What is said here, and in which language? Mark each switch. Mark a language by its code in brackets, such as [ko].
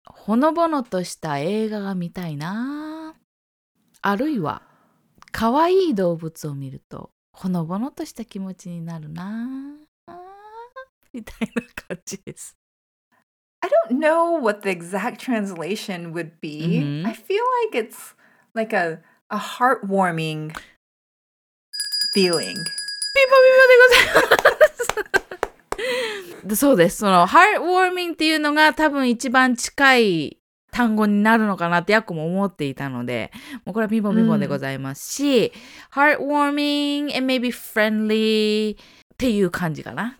[ja] ほのぼのとした映画が見たいな。あるいは、かわいい動物を見るとほのぼのとした気持ちになるな。みたいな感じです。 [en] I don't know what the exact translation would be.、Mm-hmm. I feel like it'slike a heartwarming feeling. [ja] ピポピポでございます。そうです。その heartwarming っていうのが多分一番近い単語になるのかなってヤコも思っていたので、もうこれはピポピポでございますし、 [en] heartwarming and maybe friendly [ja] っていう感じかな。